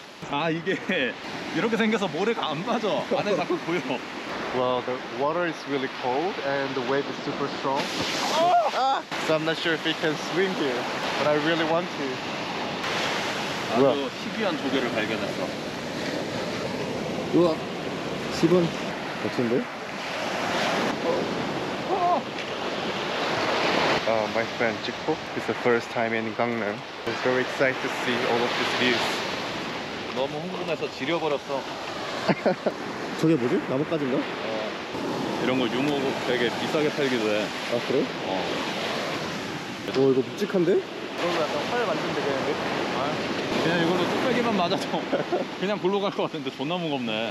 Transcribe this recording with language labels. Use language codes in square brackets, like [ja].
[ko] 아, 이게 이렇게 생겨서 모래가 안 빠져. 안에 자꾸 보여. [en] Well, the water is really cold and the wave is super strong. So I'm not sure if we can swim here, but I really want to. [ko] 아주 우와. 희귀한 조개를 발견했어. 우와, 10원. 멋진데? [en] My friend Zickpo is the first time in Gangneung. I'm so excited to see all of these views. [ko] 너무 흥분해서 지려버렸어. 저게 뭐지? 나뭇가지인가? 이런 거 유모 되게 비싸게 팔기도 해. 아, 그래? 이거 묵직한데? 이런 거 약간 팔 만지면 되겠는데? 아, 그냥 이걸로 뚝배기만 맞아도 그냥 굴러 갈 것 같은데 존나 무겁네.